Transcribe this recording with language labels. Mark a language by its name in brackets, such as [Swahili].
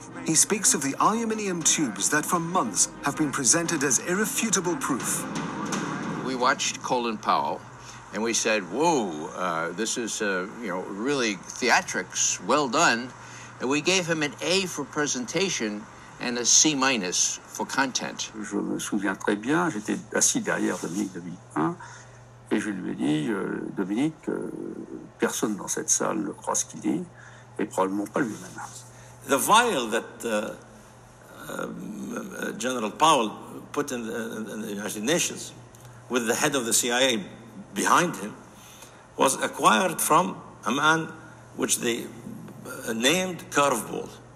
[English] He speaks of the aluminium tubes that for months have been presented as irrefutable proof. We watched Colin Powell and we said, whoa, this is really theatrics, well done. And we gave him an A for presentation and a C minus for content. [French] Je me souviens très bien, j'étais assis derrière Dominique de Villepin et je lui ai dit, Dominique, personne dans cette salle ne croit ce qu'il dit et probablement pas lui-même. [English] The vial that General Powell put in the United Nations with the head of the CIA behind him was acquired from a man which they named Curveball.